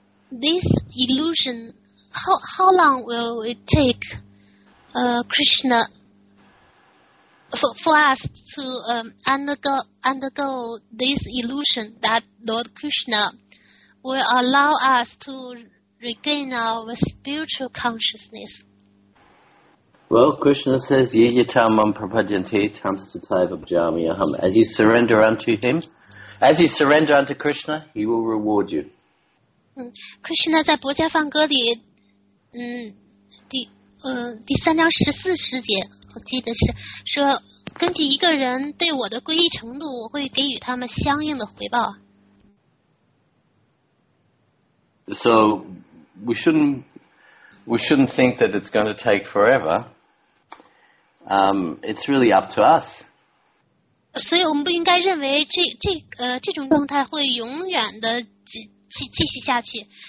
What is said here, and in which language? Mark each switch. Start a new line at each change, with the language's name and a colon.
English: This illusion, how long will it take, Krishna, for us to undergo this illusion that Lord Krishna will allow us to regain our spiritual consciousness? Well, Krishna says,
Sanskrit: yiyatam mam prapajante tam sattai vabjami aham.
English: As you surrender unto him, as you surrender unto Krishna, he will reward you.
Chinese: Krishna 在薄伽梵歌里第三章十四十节，我记得是说，根据一个人对我的皈依程度，我会给予他们相应的回报。
English: So we shouldn't think that it's going to take forever. It's really up to us.
Chinese: 所以我们不应该认为这种状态会永远的继续下去。